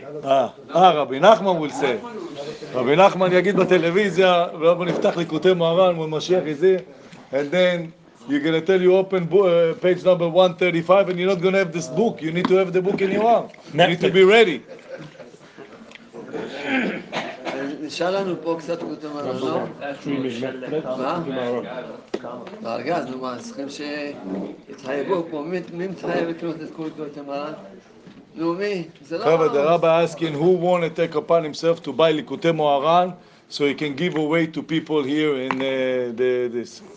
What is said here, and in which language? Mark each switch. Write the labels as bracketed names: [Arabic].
[English] Rabbi Nachman will say. Rabbi Nachman will say on the television, when Mashiach is here, and then you're going to tell you open page number 135 and you're not going to have this book. You need to have the book in your arm. You need to be ready. [Hebrew] נשאר לנו פה קצת קוטי מרן, לא? מה? בארגז, נו מה, צריכים שיתחייבו פה, מי מתחייב לקנות את קוטי מרן? נו מי? זה לא... [English] חבר'ה, the rabbi asking who want to take upon himself to buy לקוטי מוהר"ן so he can give away to people here in this.